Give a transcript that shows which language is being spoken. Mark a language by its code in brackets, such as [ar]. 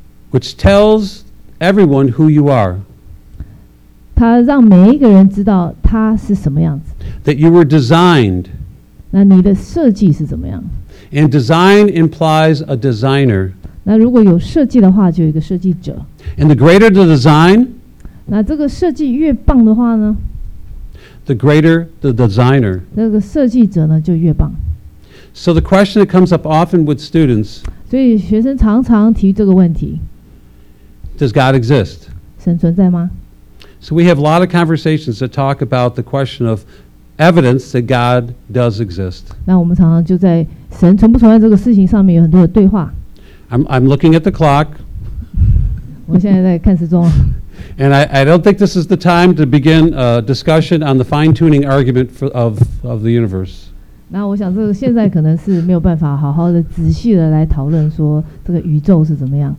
[en] Which tells everyone who you are. [zh] 它让每一个人知道他是什么样子。 [en] That you were designed. [zh] 那你的设计是怎么样？ [en] And design implies a designer. [zh] 那如果有设计的话，就有一个设计者。 [en] And the greater the design, [zh] 那这个设计越棒的话呢？ [en] The greater the designer. [zh] 那个设计者呢，就越棒。 [en] So the question that comes up often with students, [zh] 所以学生常常提这个问题。 [en] Does God exist? [zh] 神存在吗？ [en] So we have a lot of conversations that talk about the question ofevidence that God does exist. [zh] 那我们常常就在神存不存在这个事情上面有很多的对话。 [en] I'm looking at the clock. [zh] 我现在在看时钟。 [en] And I don't think this is the time to begin a discussion on the fine-tuning argument of the universe. [zh] 那我想这个现在可能是没有办法好好的仔细的来讨论说这个宇宙是怎么样。